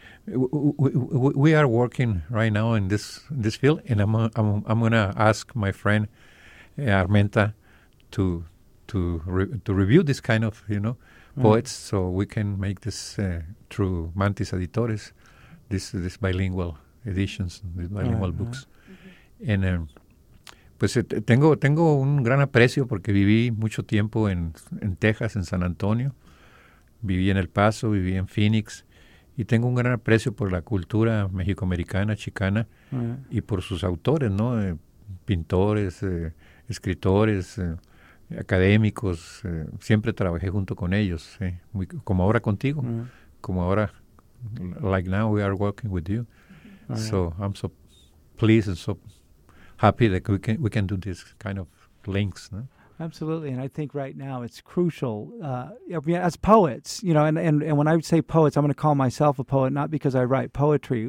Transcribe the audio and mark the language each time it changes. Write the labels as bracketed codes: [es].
[en] We are working right now in this field, and I'm going to ask my friend Armenta to review this kind of, you know, poets, so we can make this through Mantis Editores, this bilingual editions, bilingual books. [es] Pues tengo un gran aprecio porque viví mucho tiempo en Texas, en San Antonio. Viví en El Paso, viví en Phoenix. Y tengo un gran aprecio por la cultura mexicoamericana, chicana, y por sus autores, ¿no? Pintores, escritores, académicos. Siempre trabajé junto con ellos, muy, como ahora contigo. Como ahora, [en] like now we are working with you. So I'm so pleased and so happy that we can do this kind of links. [es] No? [en] Absolutely, and I think right now it's crucial. As poets, you know, and when I say poets, I'm going to call myself a poet, not because I write poetry.